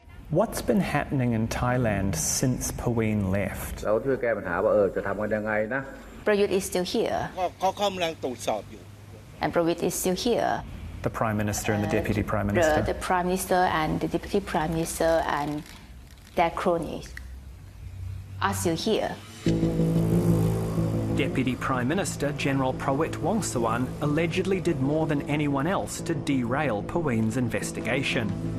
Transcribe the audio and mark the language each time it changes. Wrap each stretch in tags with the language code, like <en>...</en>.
<en>What's been happening in Thailand since Pawin left?</en> <th>เราช่วยแก้ปัญหาว่าจะทำกันยังไงนะ</th> <en>Prayut is still here.</en> <th>เขากำลังตรวจสอบอยู่</th> <en>And Prayut is still here. The Prime Minister and the Deputy Prime Minister. The Prime Minister and the Deputy Prime Minister and their cronies are still here. Deputy Prime Minister General Prawit Wongsawan allegedly did more than anyone else to derail Pawin's investigation.</en>